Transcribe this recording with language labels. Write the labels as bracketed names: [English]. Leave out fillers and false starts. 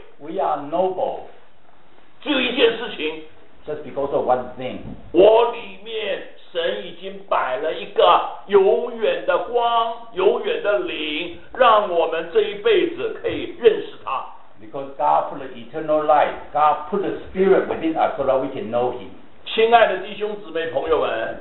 [English] ，We are noble， [Chinese] 只有一件事情 [English] ，Just because of one thing， [Chinese] 我里面。神已经摆了一个永远的光，永远的灵，让我们这一辈子可以认识他。 [English] Because God put the eternal light, God put the spirit within us so that we can know Him. [Chinese] 亲爱的弟兄姊妹朋友们